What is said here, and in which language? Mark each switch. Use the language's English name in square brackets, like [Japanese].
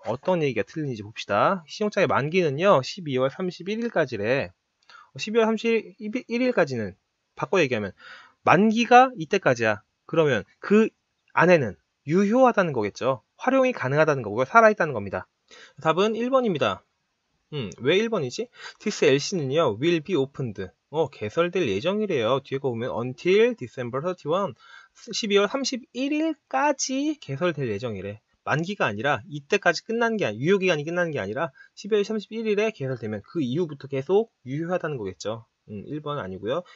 [Korean] 어떤 얘기가 틀린지 봅시다. 신용장의 만기는요, 12월 31일까지래. 12월 31일까지는, 바꿔 얘기하면, 만기가 이때까지야. 그러면 그 안에는 유효하다는 거겠죠. 활용이 가능하다는 거고요. 살아있다는 겁니다. 답은 1번입니다. 왜 1번이지? [English] This LC는요, will be opened. [Korean] 개설될 예정이래요. 뒤에 거 보면 [English] until December 31, [Korean] 12월 31일까지 개설될 예정이래. 만기가 아니라 이때까지 끝난 게 아니라 유효기간이 끝난 게 아니라 12월 31일에 개설되면 그 이후부터 계속 유효하다는 거겠죠. 1번 아니고요.